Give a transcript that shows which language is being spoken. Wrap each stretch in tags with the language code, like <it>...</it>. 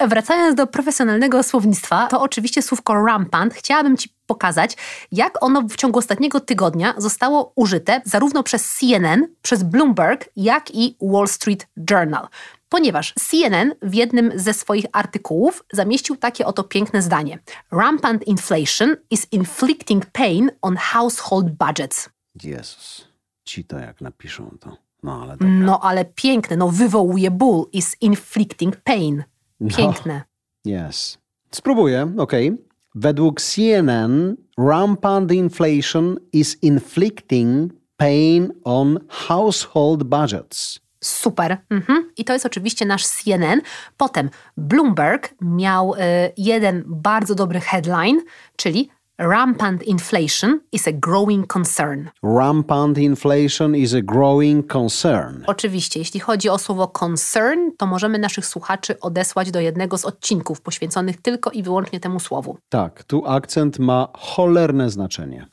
<pl>Wracając do profesjonalnego słownictwa, to oczywiście słówko rampant. Chciałabym ci pokazać, jak ono w ciągu ostatniego tygodnia zostało użyte zarówno przez CNN, przez Bloomberg, jak i Wall Street Journal. Ponieważ CNN w jednym ze swoich artykułów zamieścił takie oto piękne zdanie.</pl> <en>Rampant inflation is inflicting pain on household budgets.</en> <pl>Jezus, ci to jak napiszą to. No ale, no ale piękne, no wywołuje ból,</pl> <en>is inflicting pain.</en> <pl>Piękne. No.</pl> <en>Yes.</en> <pl>Spróbuję, okej.</pl> <en>Okay.</en> <pl>Według</pl> <en>CNN, rampant inflation is inflicting pain on household budgets.</en> <pl>Super. Mhm. I to jest oczywiście nasz CNN. Potem Bloomberg miał jeden bardzo dobry headline, czyli</pl> <en>Rampant inflation is a growing concern. Rampant inflation is a growing concern.</en> <pl>Oczywiście, jeśli chodzi o słowo concern, to możemy naszych słuchaczy odesłać do jednego z odcinków poświęconych tylko i wyłącznie temu słowu. Tak, tu akcent ma cholerne znaczenie.</pl>